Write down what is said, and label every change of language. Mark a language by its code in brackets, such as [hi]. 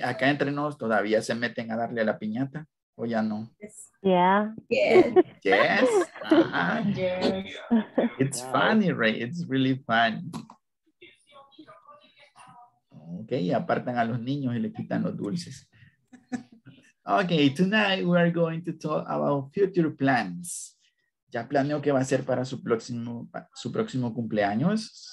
[es] Acá entre nos, ¿todavía se meten a darle a la piñata o ya no? [en] Yes. Yeah. Yes. Yes. Uh-huh. Yes. It's funny, right? It's really fun. [es] Okay, apartan a los niños y le quitan los dulces. [en] Okay, tonight we are going to talk about future plans. [es] ¿Ya planeó qué va a hacer para su próximo cumpleaños?